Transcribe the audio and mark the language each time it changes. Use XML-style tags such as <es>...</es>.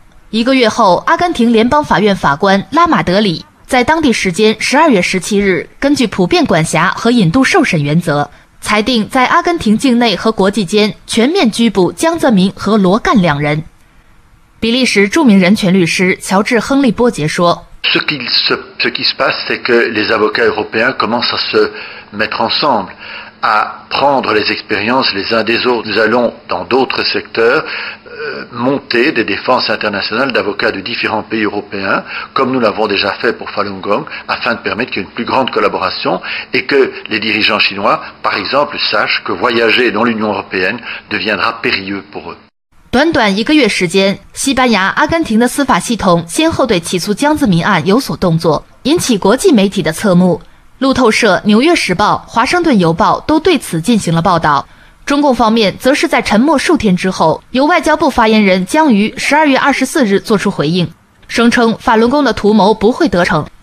<zh>一个月后，阿根廷联邦法院法官拉马德里在当地时间12月17日，根据普遍管辖和引渡受审原则，裁定在阿根廷境内和国际间全面拘捕江泽民和罗干两人。比利时著名人权律师乔治·亨利·波杰说：</zh> <fr>Ce qui se passe, c'est que les avocats européens commencent à se mettre ensemble, à prendre les expériences les uns des autres. Nous allons, dans d'autres secteurs, monter des défenses internationales d'avocats de différents pays européens, comme nous l'avons déjà fait pour Falun Gong, afin de permettre qu'il y ait une plus grande collaboration et que les dirigeants chinois, par exemple, sachent que voyager dans l'Union européenne deviendra périlleux pour eux.</fr> <zh>短短一个月时间，西班牙、阿根廷的司法系统先后对起诉江泽民案有所动作，引起国际媒体的侧目。路透社、纽约时报、华盛顿邮报都对此进行了报道。中共方面则是在沉默数天之后，由外交部发言人姜瑜12月24日作出回应，声称法轮功的图谋不会得逞。</zh>